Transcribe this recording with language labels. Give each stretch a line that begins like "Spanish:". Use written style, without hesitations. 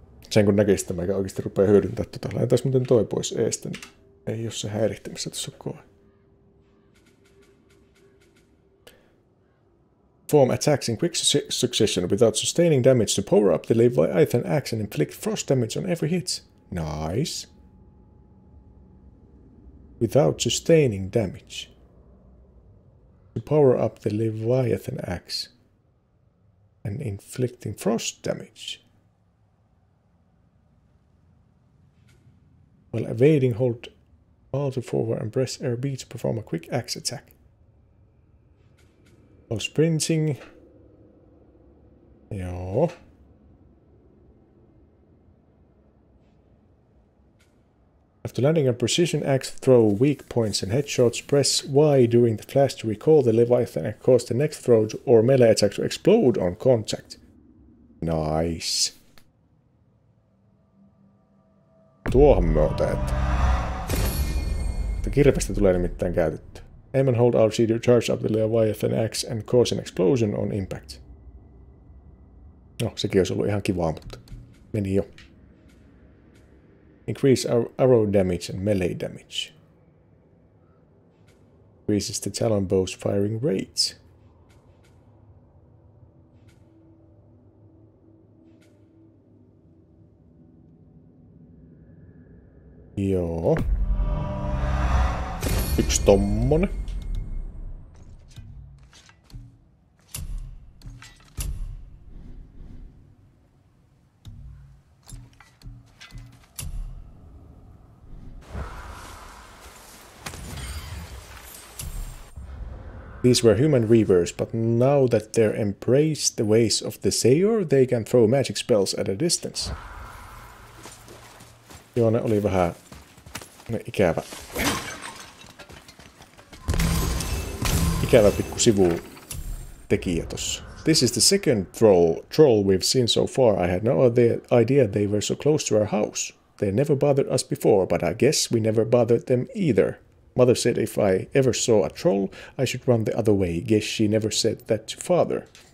Finnish: Sen kun näkee sitä, mä oikeesti rupee hyödyntää tota. Laitais muuten toi pois eestä, niin ei oo se häirihtimissä tossa koe.
English: Form attacks in quick succession without sustaining damage to power up the Leviathan axe and inflict frost damage on every hit. Nice. Without sustaining damage to power up the Leviathan axe and inflicting frost damage while evading, hold R to forward and press RB to perform a quick axe attack. While sprinting. Joo. After landing a precision axe throw, weak points and headshots, press Y during the flash to recall the Leviathan and cause the next throw or melee attack to explode on contact. Nice.
Finnish: Tuohon me otan, että kirvestä tulee nimittäin käytetty.
English: Aim and hold RC to charge up the Leviathan axe and cause an explosion on impact.
Finnish: No, sekin olisi ollut ihan kivaa, mutta meni jo.
English: Increase arrow damage and melee damage. Increases the Talon Bow's firing rate.
Finnish: Joo. Yksi tommonen.
English: These were human reavers, but now that they're embraced the ways of the Seor, they can throw magic spells at a distance.
Finnish: Joo, ne oli vähän... No, ikävä. Ikävä pikku sivutekijä tossa.
English: This is the second troll we've seen so far. I had no idea they were so close to our house. They never bothered us before, but I guess we never bothered them either. Mother said if I ever saw a troll, I should run the other way. Guess she never said that to father.